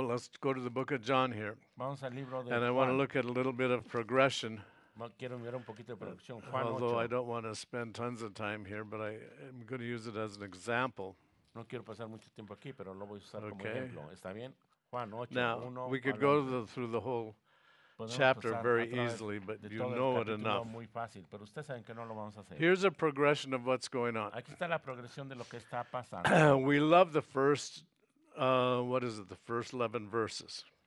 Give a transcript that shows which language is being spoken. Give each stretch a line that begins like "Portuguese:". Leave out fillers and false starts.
English: Let's go to the book of John here. And I want to look at a little bit of progression. Although I don't want to spend tons of time here, but I'm going to use it as an example.
Spanish: No quiero pasar mucho tiempo aquí, pero lo voy a usar como ejemplo. Está bien.
English: Now, we could go through the whole chapter very easily, but you know it enough.
Spanish: Muy fácil, pero usted sabe que no lo vamos a hacer.
English: Here's a progression of what's going on.
Spanish: Aquí está la progresión de lo que está pasando.
English: We love the first, what is it, the first 11 verses.